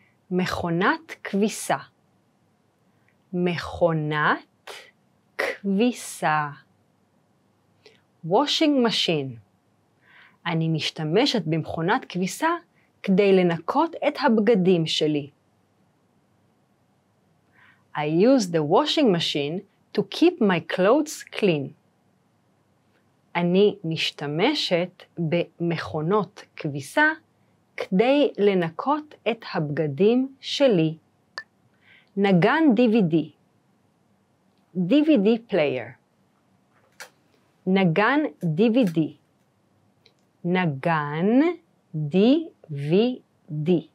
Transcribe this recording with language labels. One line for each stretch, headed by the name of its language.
Hebrew: מכונת כביסה. מכונת כביסה.
English: Washing machine.
Hebrew: אני משתמשת במכונת כביסה כדי לנקות את הבגדים שלי.
English: I use the washing machine to keep my clothes clean.
Hebrew: אני משתמשת במכונות כביסה כדי לנקות את הבגדים שלי. נגן DVD.
English: DVD player.
Hebrew: נגן DVD. נגן DVD.